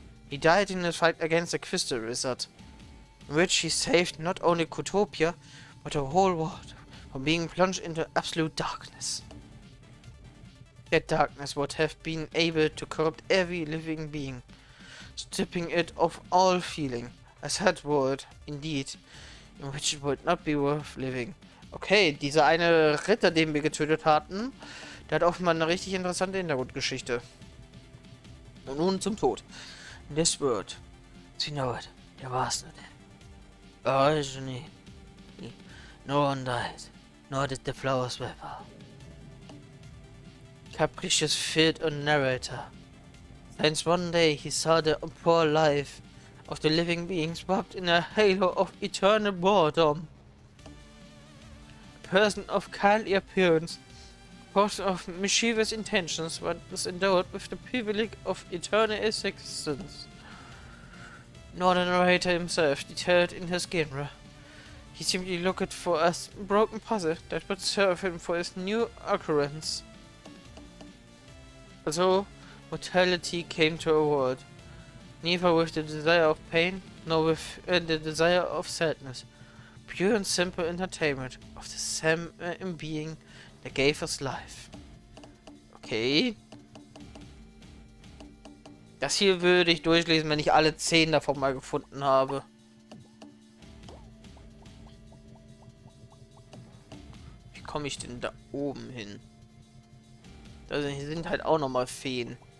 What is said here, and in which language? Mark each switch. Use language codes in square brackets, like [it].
[en] He died in a fight against the Crystal Wizard, in which he saved not only Kutopia, but the whole world from being plunged into absolute darkness. That darkness would have been able to corrupt every living being, stripping it of all feeling. A sad world, indeed, in which it would not be worth living. [de] Okay, dieser eine Ritter, den wir getötet hatten, der hat offenbar eine richtig interessante Hintergrundgeschichte. Und nun zum Tod. [en] In this world, you know it, there was no death. Originally, no one died, nor did the flowers wither. Capricious filled a narrator. Since one day he saw the poor life of the living beings wrapped in a halo of eternal boredom. A person of kindly appearance, but of mischievous intentions, but was endowed with the privilege of eternal existence. Nor the narrator himself detailed in his genre. He simply looked for a broken puzzle that would serve him for his new occurrence. So, mortality came to a world. Neither with the desire of pain, nor with the desire of sadness. Pure and simple entertainment of the same being that gave us life. Okay. [de] Das hier würde ich durchlesen, wenn ich alle 10 davon mal gefunden habe. Wie komme ich denn da oben hin? Da sind halt auch nochmal Feen.